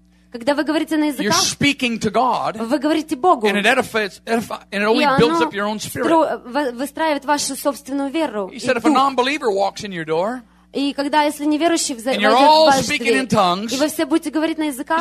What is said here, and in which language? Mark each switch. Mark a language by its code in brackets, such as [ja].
[ru] Когда вы говорите на языках, [en] God, [ru] вы говорите Богу. [en] And it edifies, and it only builds up your own spirit. [ru] Выстраивает вашу собственную веру. [en] He said, if a non-believer walks in your door, [ru] И когда, если неверующий взойдет дважды, и вы все будете говорить на языках,